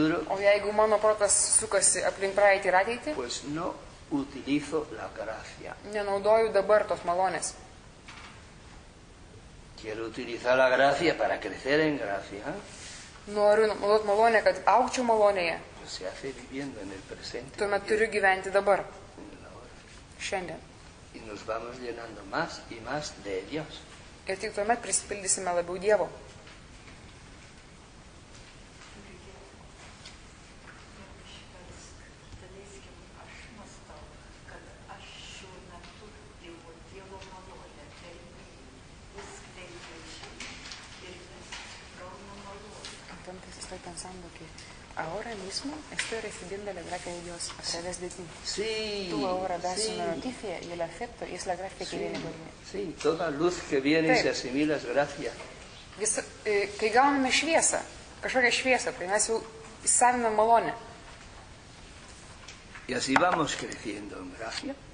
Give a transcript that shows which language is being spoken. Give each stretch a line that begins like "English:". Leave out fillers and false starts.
Lithuanian: O jeigu mano protas sukasi aplink praeitį ir ateitį,
Spanish: pues no utilizo la gracia.
Lithuanian: Nenaudoju dabar tos malonės.
Spanish: Quiero utilizar la gracia para crecer en gracia.
Lithuanian: Noriu naudot malonę, kad aukčiau malonėje.
Spanish: Se hace viviendo en el presente.
Lithuanian: Tuomet turiu gyventi dabar. Šiandien.
Spanish: Y nos vamos llenando más y más de Dios.
Lithuanian: Ir tik tuomet prisipildysime labiau Dievo.
Spanish: Entonces estoy pensando que ahora mismo estoy recibiendo la gracia de Dios a través de ti. Sí, tú ahora das sí. una noticia y la acepto y es la gracia sí, que viene por mí. Sí, toda luz que viene sí. se asimila es gracia.
Lithuanian: Kai gauname šviesą, kažkokią šviesą, tai mes jau įsaviname malonę.
Spanish: Y así vamos creciendo en gracia.